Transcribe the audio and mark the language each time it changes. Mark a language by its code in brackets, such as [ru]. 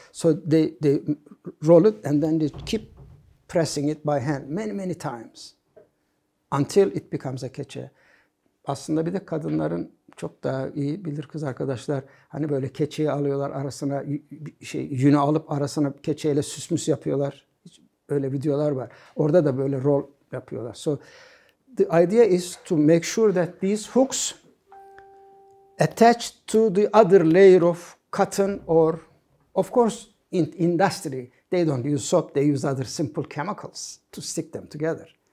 [en] So they roll it and then they keep pressing it by hand many, many times. Until it becomes a keçe. [tr] Aslında bir de kadınların çok daha iyi bilir kız arkadaşlar. Hani böyle keçeyi alıyorlar arasına, şey yünü alıp arasına keçeyle süsmüs yapıyorlar. Öyle videolar var. Orada da böyle rol yapıyorlar. [en] So the idea is to make sure that these hooks attach to the other layer of cotton or of course in industry they don't use soap, they use other simple chemicals to stick them together.